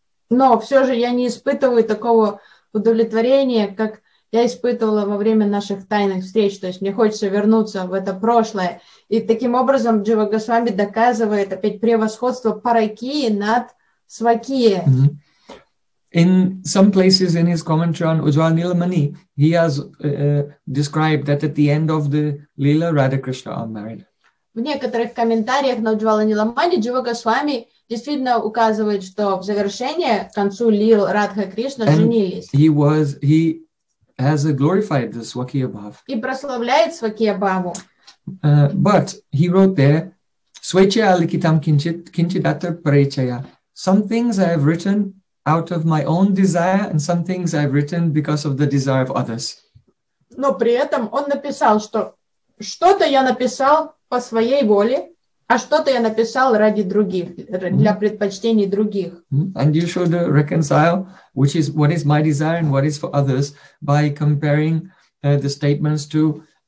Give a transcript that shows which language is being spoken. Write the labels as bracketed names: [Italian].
[Russian] Но все же я не испытываю такого удовлетворения, как я испытывала во время наших тайных встреч. То есть мне хочется вернуться в это прошлое. И таким образом Джива Госвами доказывает опять превосходство Паракии над Свакии. [English] In some places in his commentary on Ujjwala Nilamani, he has described that at the end of the Lila, Radha Krishna are married. [Russian] В некоторых комментариях на Ujjwala Nilamani Джива Госвами действительно указывает, что в завершение, к концу Лил, Радха Кришна женились. [English] He has glorified the Swakya Bhav. [Russian] И прославляет Свакья Бхаву. [English] But he wrote there, [Sanskrit] Свечая ликитам кинчидатар пречая. [English] Some things I have written out of my own desire, and some things I've written because of the desire of others. [Russian] Но при этом он написал, что что-то я написал по своей воле, а что-то я написал ради других, для предпочтений других. [English] And you should reconcile which is what is my desire and what is for others by comparing the statements to